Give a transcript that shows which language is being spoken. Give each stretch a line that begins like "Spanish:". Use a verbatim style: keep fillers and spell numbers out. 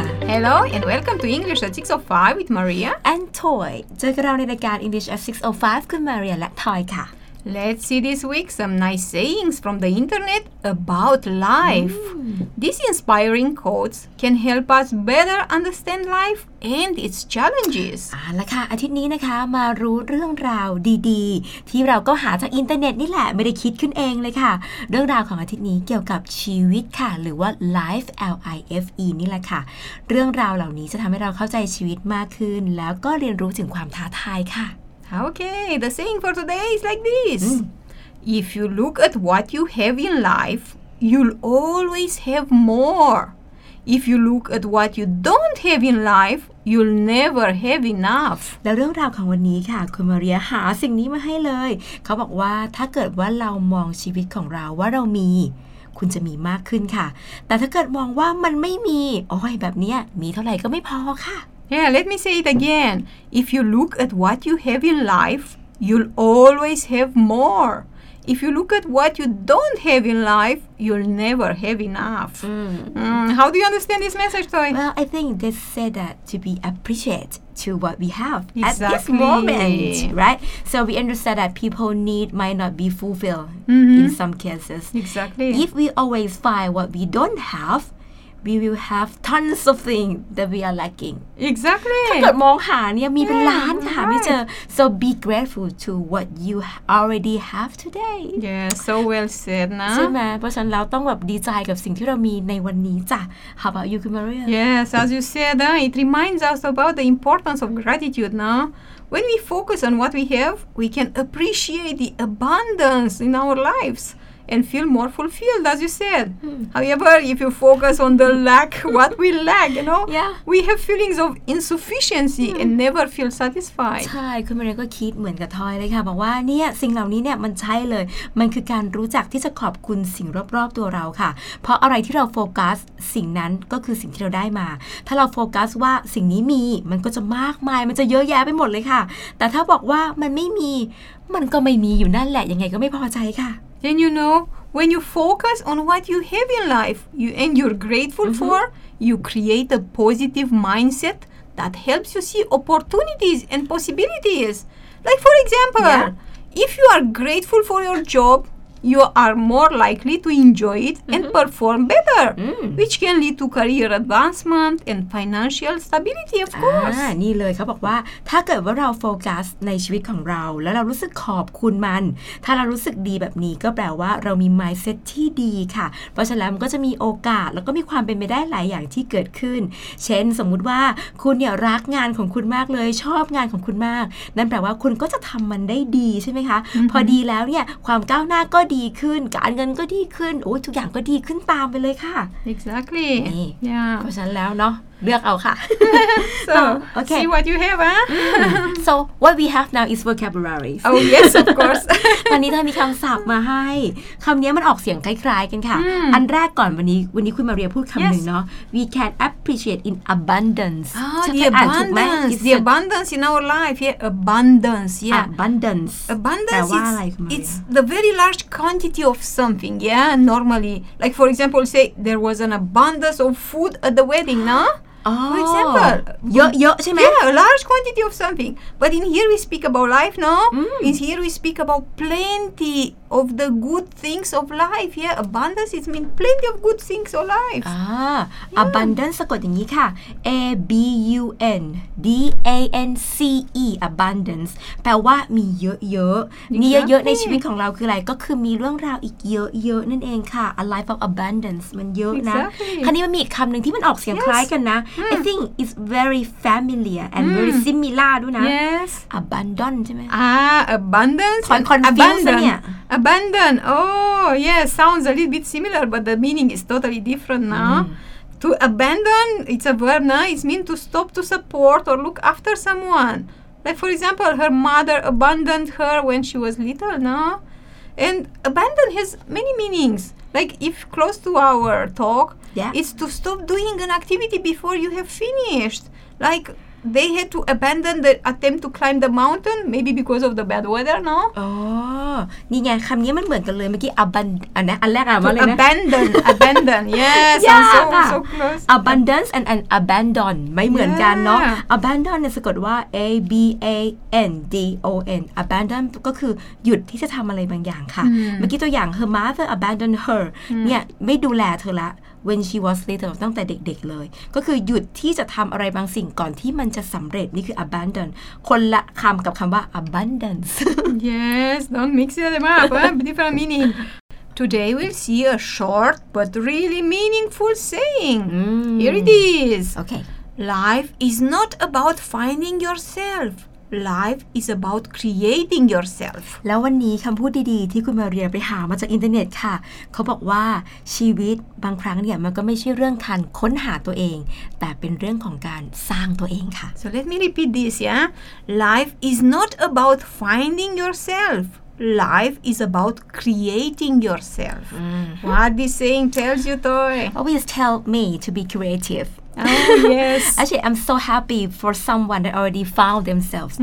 English: Hello and welcome to English at six oh five with Maria and Toy.
Thai: เจอกับเราในรายการ English at six oh five คุณ Maria และ Toy ค่ะ
English: Let's see this week some nice sayings from the internet about life. Mm. These inspiring quotes can help us better understand life and its challenges.
Thai: อ่าละค่ะอาทิตย์นี้นะคะมารู้เรื่องราวดีๆที่เราก็หาจากอินเทอร์เน็ตนี่แหละไม่ได้คิดขึ้นเองเลยค่ะเรื่องราวของอาทิตย์นี้เกี่ยวกับชีวิตค่ะหรือว่า life L I F E นี่แหละค่ะเรื่องราวเหล่านี้จะทำให้เราเข้าใจชีวิตมากขึ้นแล้วก็เรียนรู้ถึงความท้าทายค่ะ
English: Okay, the saying for today is like this. Mm. If you look at what you have in life, you'll always have more. If you look at what you don't have in life, you'll never have enough.
Thai: แล้วเรื่องราวของวันนี้ค่ะคุณมาเรียหาสิ่งนี้มาให้เลยเขาบอกว่าถ้าเกิดว่าเรามองชีวิตของเราว่าเรามีคุณจะมีมากขึ้นค่ะแต่ถ้าเกิดมองว่ามันไม่มีโอ้ยแบบเนี้ยมีเท่าไหร่ก็ไม่พอค่ะ
English: Yeah, let me say it again. If you look at what you have in life, you'll always have more. If you look at what you don't have in life, you'll never have enough. Mm. Mm, how do you understand this message, Toy? Well, I think they said that to be appreciated to what we have exactly. at this moment, right? So we understand that people need might not be fulfilled mm-hmm. in some cases. Exactly. If we always find what we don't have,We will have tons of things that we are lacking. Exactly.
Thai: ถ้าเกิดมองหาเนี่ยมีเป็นล้านค่ะหาไม่เจอ
English: So be grateful to what you already have today. Yeah, so well said นะ
Thai: ใช่ไหมเพราะฉะนั้นเราต้องแบบดีใจกับสิ่งที่เรามีในวันนี้จ้ะ
English: How about you, Maria? Yes, as you said, uh, it reminds us about the importance of gratitude, no? When we focus on what we have, we can appreciate the abundance in our lives. And feel more fulfilled, as you said. Mm. However, if you focus on the lack, what we lack, you know, yeah. we have feelings of insufficiency mm. and never feel satisfied.
Thai: ใช่คุณมาเรียก็คิดเหมือนกับทอยเลยค่ะบอกว่าเนี่ยสิ่งเหล่านี้เนี่ยมันใช่เลยมันคือการรู้จักที่จะขอบคุณสิ่งรอบๆตัวเราค่ะเพราะอะไรที่เราโฟกัสสิ่งนั้นก็คือสิ่งที่เราได้มาถ้าเราโฟกัสว่าสิ่งนี้มีมันก็จะมากมายมันจะเยอะแยะไปหมดเลยค่ะแต่ถ้าบอกว่ามันไม่มีมันก็ไม่มีอยู่นั่นแหละยังไงก็ไม่พอใจค่ะ
English: Then you know, when you focus on what you have in life you, and you're grateful mm-hmm. for, you create a positive mindset that helps you see opportunities and possibilities. Like for example, yeah. if you are grateful for your job, you are more likely to enjoy it mm-hmm. and perform better, mm. which can lead to career advancement and financial stability, of course.
Thai: อ่านี่เลยเขาบอกว่าถ้าเกิดว่าเราโฟกัสในชีวิตของเราแล้วเรารู้สึกขอบคุณมันถ้าเรารู้สึกดีแบบนี้ก็แปลว่าเรามี mindset ที่ดีค่ะเพราะฉะนั้นมันก็จะมีโอกาสแล้วก็มีความเป็นไปได้หลายอย่างที่เกิดขึ้นเช่นสมมุติว่าคุณเนี่ยรักงานของคุณมากเลยชอบงานของคุณมากนั่นแปลว่าคุณก็จะทำมันได้ดีใช่ไหมคะ mm-hmm. พอดีแล้วเนี่ยความก้าวหน้าก็ดีขึ้นการเงินก็ดีขึ้นโอ้ทุกอย่างก็ดีขึ้นตามไปเลยค่ะ
English: Exactly
Thai: นี่
English: yeah.
Thai: เพราะฉะนั้นแล้วเนาะเลือกเอาค่ะ
English: So oh, okay. see what you have huh? So what we have now is vocabulary Oh yes of course
Thai: ตอนนี้ได้มีคำศัพท์มาให้คำนี้มันออกเสียงคล้ายๆกันค่ะ mm. อันแรกก่อนวันนี้วันนี้คุณมาเรียพูดคำ yes. หนึ่งเนาะ
English: We can appreciate in abundance oh, the abundance the abundance in our life yeah abundance yeah abundance abundance it's, it's the very large quantity of something yeah normally like for example say there was an abundance of food at the wedding no Oh, for example,
Thai: เยอะๆใช่ไหม
English: Yeah, a large quantity of something. But in here we speak about life, no? Mm. In here we speak about plenty of the good things of life. Yeah, abundance it means plenty of good things of life. Ah, yeah.
Thai: abundance สะกดอย่างนี้ค่ะ A B U N D A N C E abundance แปลว่ามีเยอะๆมีเยอะๆในชีวิตของเราคืออะไรก็คือมีเรื่องราวอีกเยอะๆนั่นเองค่ะ
English: A life of abundance
Thai: มันเยอะนะ
English: Exactly.
Thai: คราวนี้มันมีอีกคำหนึ่งที่มันออกเสียง yes. คล้ายกันนะ
English: Mm. I think it's very familiar and mm. very similar
Thai: ด้วยนะ
English: Yes
Thai: Abandon ใช่ไหม
English: Ah abundance Con- confused เนี่ย Abandon Oh yes sounds a little bit similar but the meaning is totally different now mm. To abandon it's a verb now it means to stop to support or look after someone Like for example her mother abandoned her when she was little no And abandon has many meanings Like if close to our talk Yeah. It's to stop doing an activity before you have finished. Like they had to abandon the attempt to climb the mountain, maybe because of the bad weather, no?
Thai: อ๋อ นี่ไงคำนี้มันเหมือนกันเลยเมื่อกี้ abandon อันนะอันแรกอ่ะว่าอะไรนะ
English: abandon abandon yes I'm so so close
Thai: abundance and an abandon ไม่เหมือนกันเนาะ abandon เนี่ยสะกดว่า a b a n d o n abandon ก็คือหยุดที่จะทำอะไรบางอย่างค่ะเมื่อกี้ตัวอย่าง
English: her mother abandoned her
Thai: เนี่ยไม่ดูแลเธอละ
English: when she was little
Thai: ตั้งแต่เด็กๆเลยก็คือหยุดที่จะทำอะไรบางสิ่งก่อนที่มันจะสำเร็จนี่คือ abandon คนละคำกับคำว่า abundance
English: yes don't mix them up huh? different meaning today we'll see a short but really meaningful saying mm. here it is okay life is not about finding yourself life is about creating yourself แล้ววันนี้คำพูดดีๆที่คุณมาเรียไปหามาจากอินเทอร์เน็ตค่ะเขาบอกว่าชีวิตบางครั้งเนี่ยมันก็ไม่ใช่เรื่องการค้นหาตัวเองแต่เป็นเรื่องของการสร้างตัวเองค่ะ so let me repeat this yeah life is not about finding yourself life is about creating yourself mm-hmm. what this saying tells you Toy always tell me to be creative Oh, yes. Actually, I'm so happy for someone that already found themselves.